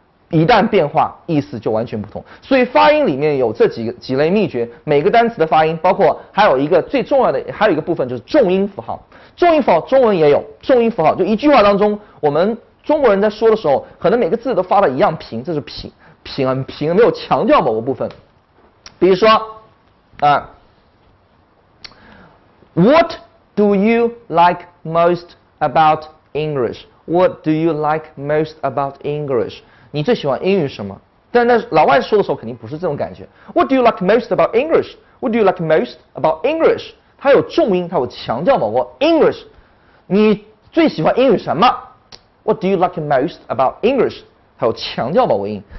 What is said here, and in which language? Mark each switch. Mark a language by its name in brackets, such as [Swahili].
[Chinese] 一旦变化，意思就完全不同。所以发音里面有这几类秘诀，每个单词的发音，包括还有一个最重要的，还有一个部分就是重音符号。重音符号中文也有，重音符号就一句话当中，我们中国人在说的时候，可能每个字都发的一样平，这是平，没有强调某个部分。比如说， [English] What do you like most about English? What do you like most about English? [Chinese] 你最喜欢英语什么？但那老外说的时候肯定不是这种感觉。 [English] What do you like most about English? What do you like most about English? [Chinese] 它有重音，它有强调某个 English。你最喜欢英语什么？ [English] What do you like most about English? [Chinese] 它有强调某个音。